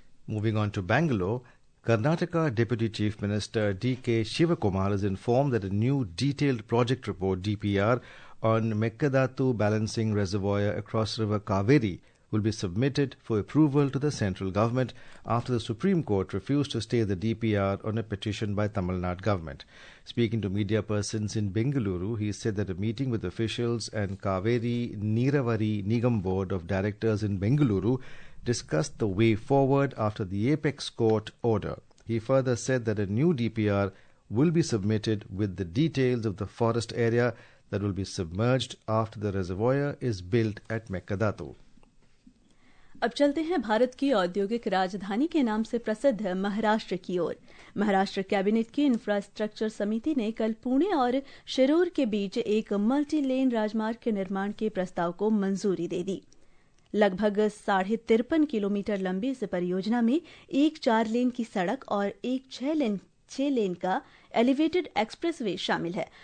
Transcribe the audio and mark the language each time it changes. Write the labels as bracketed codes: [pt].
[en] Moving on to Bangalore, Karnataka deputy chief minister D K Shivakumar is inform that a new detailed project report DPR on Mekedatu balancing reservoir across river Kaveri will be submitted for approval to the central government after the supreme court refuse to stay the DPR on a petition by Tamil Nadu government. Speaking to media persons in Bengaluru, he said that a meeting with officials and Kaveri Niravari Nigam Board of Directors in Bengaluru discussed the way forward after the apex court order. He further said that a new DPR will be submitted with the details of the forest area that will be submerged after the reservoir is built at Mekkadatu. [hi] अब चलते हैं भारत की औद्योगिक राजधानी के नाम से प्रसिद्ध महाराष्ट्र की ओर। महाराष्ट्र कैबिनेट की इंफ्रास्ट्रक्चर समिति ने कल पुणे और शिरूर के बीच एक मल्टी लेन राजमार्ग के निर्माण के प्रस्ताव को मंजूरी दे दी। लगभग 53.5 किलोमीटर लंबी इस परियोजना में एक 4 लेन की सड़क और एक 6 लेन का एलिवेटेड एक्सप्रेसवे शामिल है।